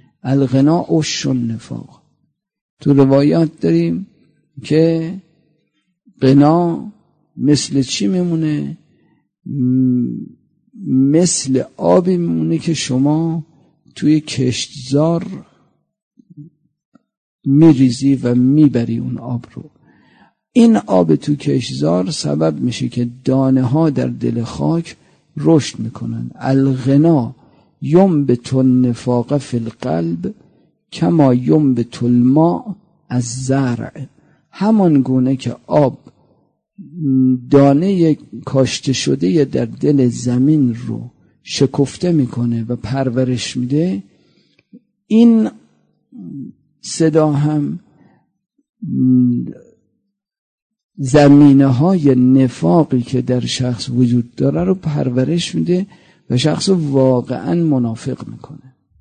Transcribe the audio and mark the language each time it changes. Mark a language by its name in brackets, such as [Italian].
[Arabic] الغناء و شن نفاق. [Persian] تو روایات داریم که غنا مثل چی میمونه؟ مثل آبی میمونه که شما توی کشتزار میریزی و میبری اون آب رو. این آب تو کشتزار سبب میشه که دانه ها در دل خاک رشد میکنن. [Arabic] الغنا ينبت النفاق في القلب كما ينبت الماء الزرع. [Persian] همان گونه که آب دانه کاشته شده در دل زمین رو شکفته میکنه و پرورش میده، این صدا هم زمینه های نفاقی که در شخص وجود داره رو پرورش میده و شخص واقعا منافق میکنه.